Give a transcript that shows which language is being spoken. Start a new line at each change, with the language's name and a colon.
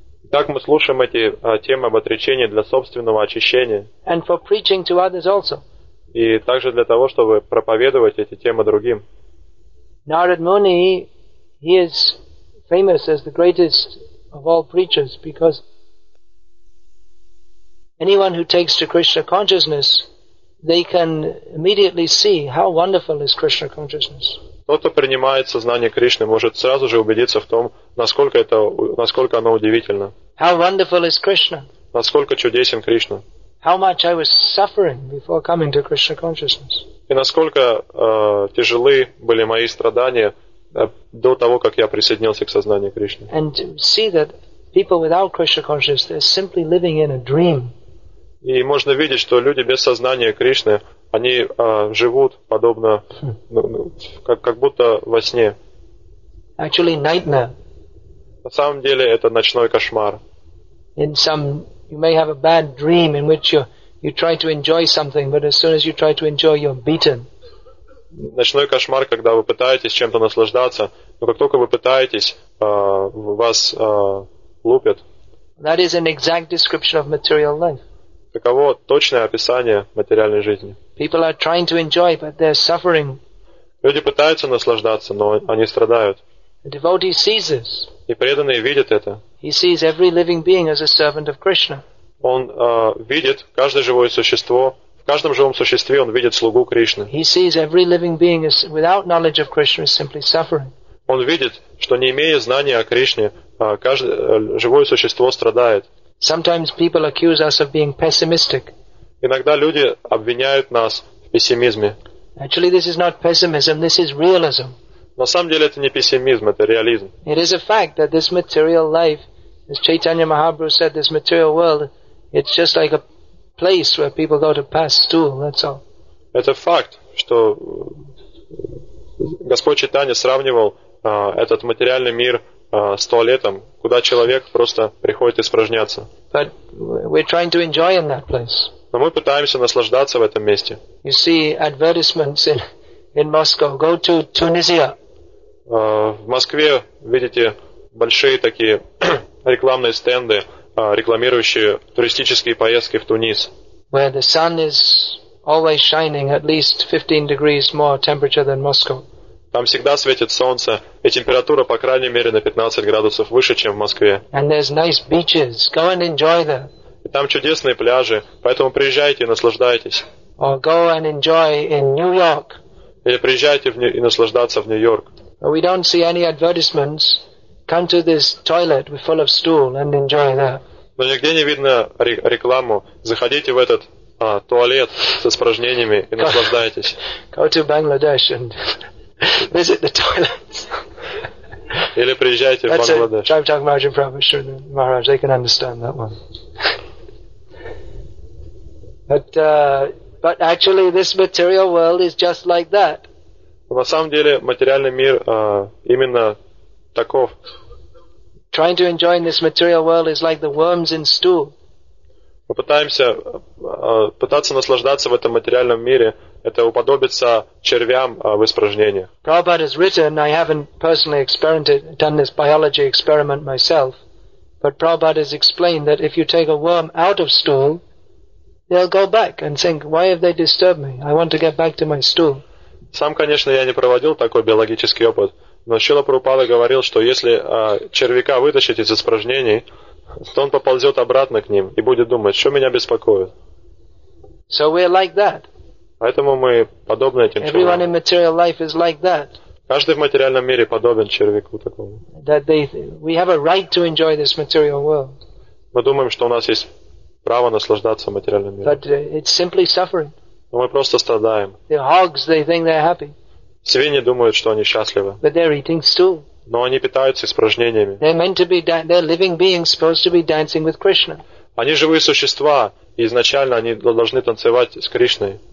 Russian: Так мы слушаем эти темы об отречении для собственного очищения.
English: And for preaching to others also.
Russian: И также для того, чтобы проповедовать эти темы другим.
English: Narad Muni, he is famous as the greatest of all preachers because anyone who takes to Krishna consciousness, they can immediately see how wonderful is Krishna consciousness.
Russian: Тот, кто принимает сознание Кришны, может сразу же убедиться в том, насколько оно удивительно.
English: How wonderful is Krishna?
Russian: Насколько чудесен Кришна.
English: How much I was suffering before coming to Krishna consciousness.
Russian: И насколько тяжелы были мои страдания до того, как я присоединился к сознанию Кришны.
English: And see that people without Krishna consciousness, they're simply living in a dream.
Russian: И можно видеть, что люди без сознания Кришны, они живут подобно, как будто во сне.
English: Actually, nightmare.
Russian: На самом деле это ночной кошмар.
English: In some, you may have a bad dream in which you try to enjoy something, but as soon as you try to enjoy, you're beaten.
Russian: ночной кошмар, когда вы пытаетесь чем-то наслаждаться, но как только вы пытаетесь, вас лупят.
English: That is an exact description of material life.
Russian: Таково точное описание материальной жизни.
English: People are trying to enjoy, but they're suffering.
Russian: Люди пытаются наслаждаться, но они страдают.
English: A devotee sees this.
Russian: И преданные видят это.
English: He sees every living being as a servant of Krishna.
Russian: Он видит каждое живое существо. В каждом живом существе он видит слугу Кришны.
English: He sees every living being as, without knowledge of Krishna, is simply suffering.
Russian: Он видит, что не имея знания о Кришне, каждое живое существо страдает.
English: Sometimes people accuse us of being pessimistic.
Russian: Иногда люди обвиняют нас в пессимизме.
English: Actually, this is not pessimism, this is realism.
Russian: На самом деле это не пессимизм, это реализм.
English: It is a fact that this material life, as Chaitanya Mahaprabhu said, this material world, it's just like a place where people go to pass stool, that's all.
Russian: Это факт, что Господь Чайтанья сравнивал этот материальный мир с туалетом, куда человек просто приходит испражняться.
English: But we're trying to enjoy in that place.
Russian: Но мы пытаемся наслаждаться в этом месте.
English: You see advertisements in Moscow. Go to Tunisia.
Russian: В Москве видите большие такие рекламные стенды, рекламирующие туристические поездки в Тунис.
English: Where the sun is always shining at least 15 degrees more temperature than Moscow.
Russian: Там всегда светит солнце, и температура, по крайней мере, на 15 градусов выше, чем в Москве.
English: And there's nice beaches. Go and enjoy them.
Russian: И там чудесные пляжи, поэтому приезжайте и наслаждайтесь.
English: Or go and enjoy in New York.
Russian: Или приезжайте и наслаждаться в Нью-Йорк.
English: We don't see any advertisements. Come to this toilet full of stool and enjoy that.
Russian: Но нигде не видно рекламу. Заходите в этот туалет с испражнениями и наслаждайтесь.
English: Go to Bangladesh and visit the toilets. Или приезжайте в Бангладеш. That's it. Jaitanya Mahaprabhu, Prabhupada, Maharaj, they can understand that one. But actually, this material world is just like that.
Russian: На самом деле, материальный мир именно таков.
English: Trying to enjoy in this material world is like the worms in stool.
Russian: Мы пытаемся пытаться наслаждаться в этом материальном мире, это уподобится червям в испражнениях.
English: Prabhupada has written, I haven't personally experimented, done this biology experiment myself, but Prabhupada has explained that if you take a worm out of stool, they'll go back and think, why have they disturbed me? I want to get back to my stool.
Russian: Сам, конечно, я не проводил такой биологический опыт, но Шрила Прабхупада говорил, что если червяка вытащить из испражнений, то он поползет обратно к ним и будет думать, что меня беспокоит.
English: So we're like that.
Russian: Поэтому мы подобны этим червям.
English: Everyone in material life is like that.
Russian: Каждый в материальном мире подобен червяку такому.
English: That we have a right to enjoy this material world.
Russian: Мы думаем, что у нас есть право наслаждаться материальным миром.
English: But it's simply suffering.
Russian: Но мы просто страдаем.
English: The hogs, they think they're happy.
Russian: Свиньи думают, что они счастливы.
English: But they're eating stool.
Russian: Но они питаются испражнениями.
English: They're meant to be they're living beings supposed to be dancing with Krishna.
Russian: Они живые существа, и изначально они должны танцевать с Кришной.